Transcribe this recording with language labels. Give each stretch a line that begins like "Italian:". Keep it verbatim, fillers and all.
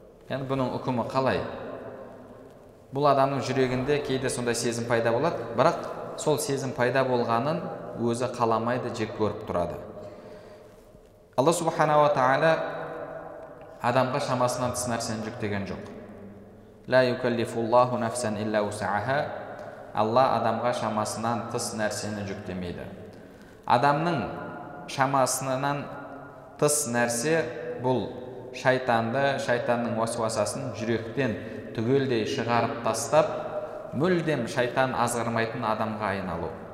Kazakh: Яғни бұның үкімі қалай? Бұл адамның жүрегінде кейде сондай сезім пайда болады, бірақ сол сезім пайда болғанын өзі қаламайды, жек көріп тұрады. Алла субханала тағала адамға шамасынан тыс нәрсені жүктеген жоқ.
Arabic: Ла юкаллифуллаху нафсан илля усаха.
Kazakh: Алла адамға шамасынан тыс нәрсені жүктемейді. Адамның шамасынан тыс нәрсе бұл шайтанды, шайтанның уасуасын жүректен түгелдей шығарып тастап, мүлдем шайтан азғырмайтын адамға айналу.